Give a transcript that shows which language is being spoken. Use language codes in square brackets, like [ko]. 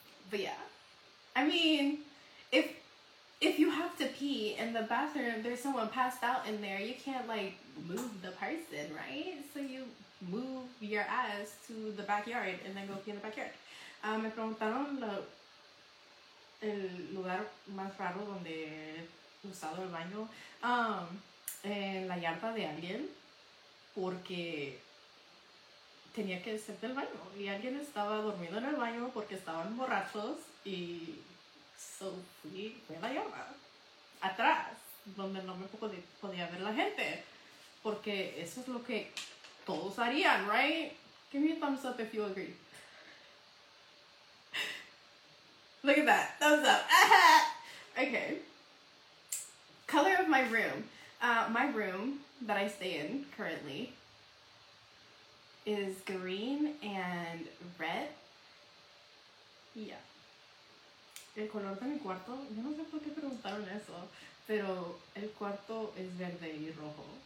[en] But yeah. I mean, if you have to pee in the bathroom, there's someone passed out in there, you can't, like, move the person, right? So you move your ass to the backyard and then go pee in the backyard. [es] Me preguntaron el lugar más raro donde he usado el baño. En la yarda de alguien, porque tenía que hacer del baño. Y alguien estaba dormido en el baño porque estaban borrachos y... So fui a la yarda, atrás, donde no me podía ver la gente, porque eso es lo que todos harían, right? [en] Give me a thumbs up if you agree. Look at that, thumbs up. Okay. Color of my room. My room that I stay in currently is green and red. Yeah. [es] El color de mi cuarto, yo no sé por qué preguntaron eso, pero el cuarto es verde y rojo.